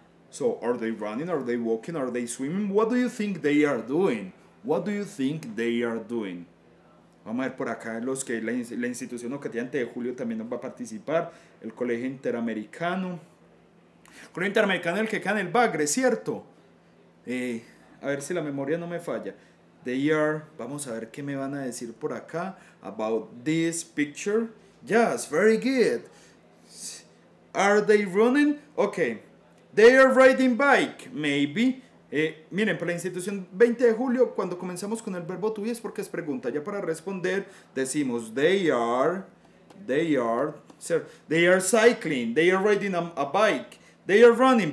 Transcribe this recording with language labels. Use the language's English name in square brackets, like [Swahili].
[English] So, are they running, are they walking, are they swimming? What do you think they are doing? What do you think they are doing? [Spanish] Vamos a ver por acá los que la institución educativa antes de julio también nos va a participar. El Colegio Interamericano. Colegio Interamericano es el que queda en el Bagre, ¿cierto? A ver si la memoria no me falla. [English] They are, [Spanish] vamos a ver qué me van a decir por acá [English] about this picture. Yes, very good. Are they running? Okay. They are riding bike, maybe. [Spanish] Miren, para la institución 20 de julio, cuando comenzamos con el verbo to be, es porque es pregunta. Ya para responder, decimos [English] they are cycling, they are riding a bike, they are running.